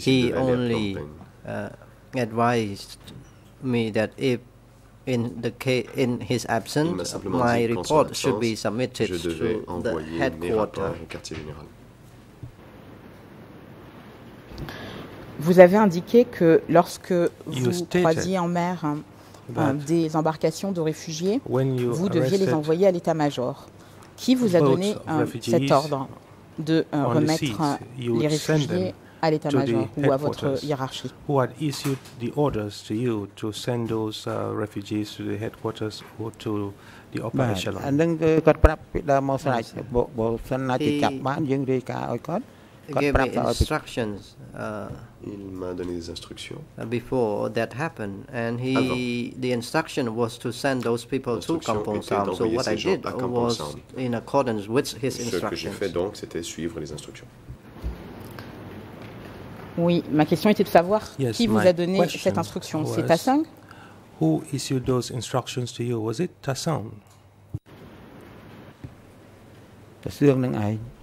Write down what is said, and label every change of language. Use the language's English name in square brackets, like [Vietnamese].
[English] He only advised me that if in his absence, my report should be submitted to the headquarters. [French] Vous avez indiqué que lorsque vous croisiez en mer des embarcations de réfugiés, vous deviez les envoyer à l'état-major. Qui vous a donné cet ordre de remettre les réfugiés à l'état-major ou à votre hiérarchie? [English] Who had issued the orders to you to send those refugees to the headquarters or to the upper echelon? And then got prapida mo sanai bo sanai ti chap ban jeung rei ka oi kot got instructions [French] il m'a donné des instructions [English] before that happened and he the instruction was to send those people to Kampong Som. So what I did was in accordance with his instructions. [French] Ce que j'ai fait donc c'était suivre les instructions. Oui, ma question était de savoir qui vous a donné cette instruction. C'est Tasson? [English] Who issued those instructions to you? Was it Tasson? Tasson.